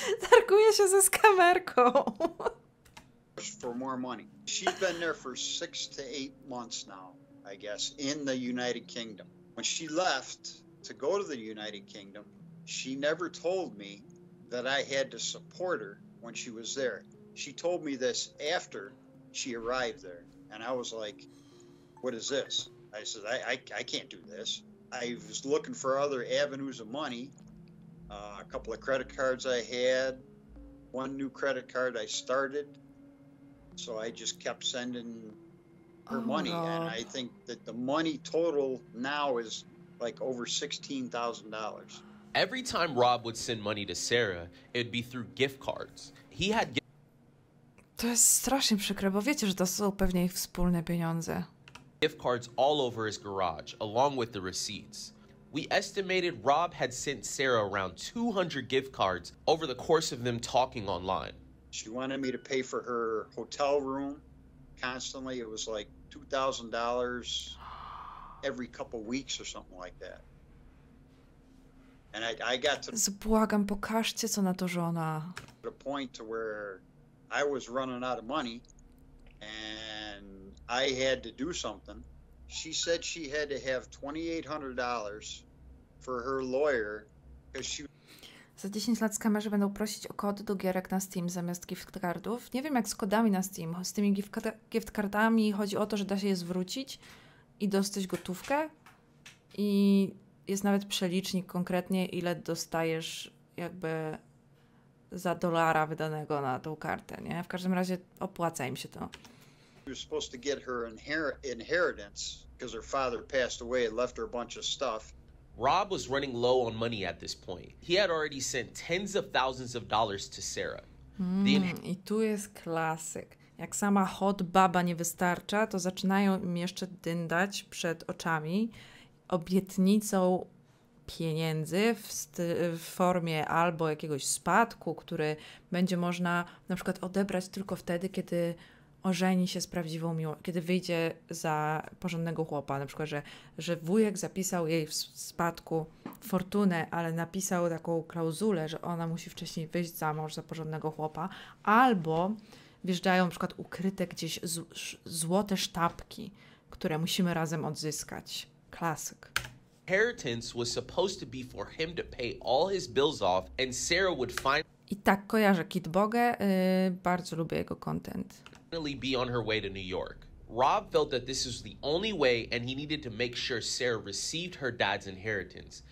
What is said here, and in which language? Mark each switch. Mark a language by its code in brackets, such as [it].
[pl] Targuje się ze skamerką. [en] For more money. She's been there for 6 to 8 months now, I guess, in the United Kingdom. When she left to go to the United Kingdom, she never told me that I had to support her when she was there. She told me this after she arrived there, and I was like, what is this? I said, I can't do this. I was looking for other avenues of money, a couple of credit cards I had, one new credit card I started. So I just kept sending her money. God. And I think that the money total now is like over $16,000. Every time Rob would send money to Sarah, it'd be through gift cards. He had gift. [pl] To jest strasznie przykre, bo wiecie, że to są pewnie ich wspólne pieniądze. [en] Gift cards all over his garage, along with the receipts. We estimated Rob had sent Sarah around 200 gift cards over the course of them talking online. She wanted me to pay for her hotel room constantly. It was like $2,000 every couple weeks or something like that. And I got to... [pl] Zbłagam, pokażcie, co na to żona. [en] ...to the point to where... I was running out of money and I had to do something. She said she had to have $2,800 for her lawyer because she... [pl] Za 10 lat skamerzy będą prosić o kody do gierek na Steam zamiast gift cardów. Nie wiem jak z kodami na Steam. Z tymi gift cardami chodzi o to, że da się je zwrócić i dostać gotówkę. I jest nawet przelicznik konkretnie, ile dostajesz jakby za dolara wydanego na tą kartę, nie? W każdym razie opłaca im się to. [en] She was supposed to get her inheritance because her father passed away and left her a bunch of stuff. Rob was running low on money at this point. He had already sent tens of thousands of dollars to Sarah. [pl] I tu jest klasyk. Jak sama hot baba nie wystarcza, to zaczynają im jeszcze dyndać przed oczami obietnicą pieniędzy w formie albo jakiegoś spadku, który będzie można na przykład odebrać tylko wtedy, kiedy ożeni się z prawdziwą miłością, kiedy wyjdzie za porządnego chłopa, na przykład, że wujek zapisał jej w spadku fortunę, ale napisał taką klauzulę, że ona musi wcześniej wyjść za mąż za porządnego chłopa, albo wjeżdżają na przykład ukryte gdzieś złote sztabki, które musimy razem odzyskać. Klasyk. [en] Inheritance was supposed to be for him to pay all his bills off and Sarah would finally... [pl] I tak kojarzę Kit Bogę, bardzo lubię jego content. [en] ...be on her way to New York. Rob felt that this was the only way and he needed to make sure Sarah received her dad's inheritance.